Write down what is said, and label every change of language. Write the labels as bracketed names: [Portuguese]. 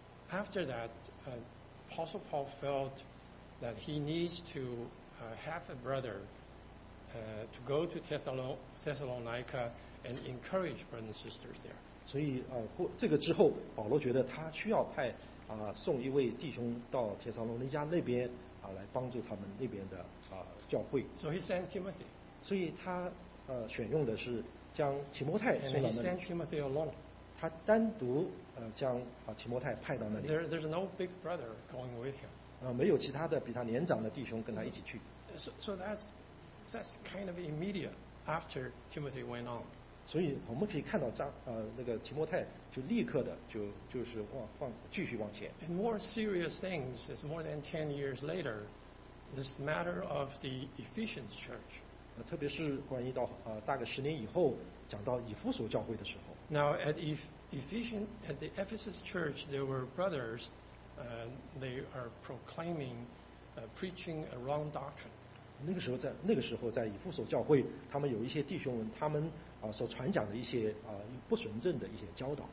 [English] After that, Apostle Paul felt that he needs to have a brother to go to Thessalonica and encourage brothers and sisters there. [Chinese] 所以这个之后，保罗觉得他需要派送一位弟兄到帖撒罗尼迦那边。来帮助他们那边的教会。 [English] So he sent Timothy. [Chinese] 所以他选用的是将提摩太送到那里。 [English] And he sent Timothy alone. [Chinese] 他单独将提摩太派到那里。 [English] There's no big brother going with him. [Chinese] 没有其他的比他年长的弟兄跟他一起去。 [English] So that's kind of immediate after Timothy went on. [Chinese] 所以我们可以看到那个提摩太就立刻的就是继续往前。 [English] And more serious things is more than 10 years later, this matter of the Ephesians church. [Chinese] 特别是关于到大概十年以后讲到以弗所教会的时候。 [English] Now at the Ephesus church, there were brothers, they are proclaiming, preaching a wrong doctrine. [Chinese] 那个时候在以弗所教会，他们有一些弟兄们，他们所传讲的一些不纯正的一些教导。